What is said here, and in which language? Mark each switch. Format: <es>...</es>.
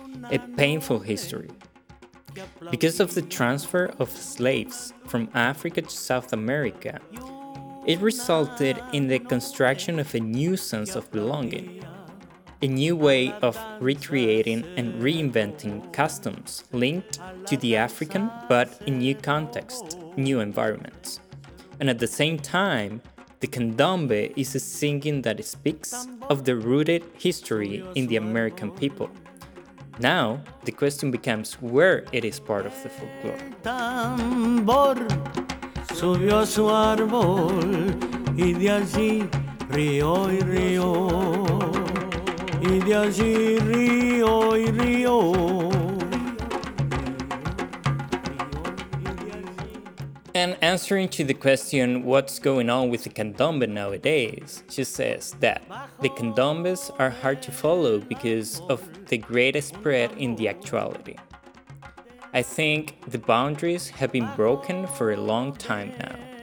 <en>A painful history. Because of the transfer of slaves from Africa to South America, it resulted in the construction of a new sense of belonging, a new way of recreating and reinventing customs linked to the African, but in new context, new environments. And at the same time, the candombe is a singing that speaks of the rooted history in the American people. Now, the question becomes where it is part of the folklore.</en> <es>Tambor subió a su árbol y de allí río y río y de allí río y río.</es> <en>And answering to the question, what's going on with the candombe nowadays, she says that the candombes are hard to follow because of the great spread in the actuality. I think the boundaries have been broken for a long time now.</en>